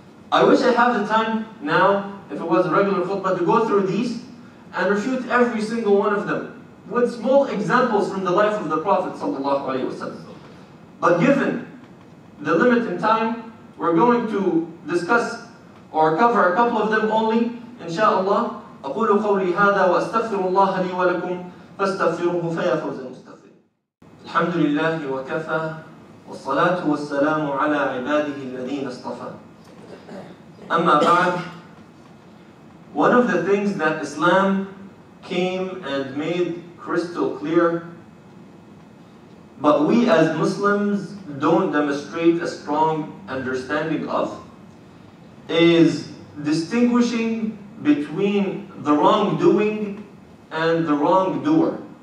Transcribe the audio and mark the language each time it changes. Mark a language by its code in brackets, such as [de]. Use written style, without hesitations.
[en] I wish I had the time now, if it was a regular khutbah, to go through these and refute every single one of them with small examples from the life of the Prophet sallallahu alaihi wasallam. But given the limit in time, we're going to discuss or cover a couple of them only, inshallah. [ar] أقول قولي هذا وأستغفر الله لي ولكم فاستغفروه فيا فوز المستغفرين. الحمد لله وكفى والصلاة والسلام على عباده الذين اصطفى. أما بعد, [en] one of the things that Islam came and made crystal clear, but we as Muslims don't demonstrate a strong understanding of, is distinguishing between the wrongdoing and the wrongdoer.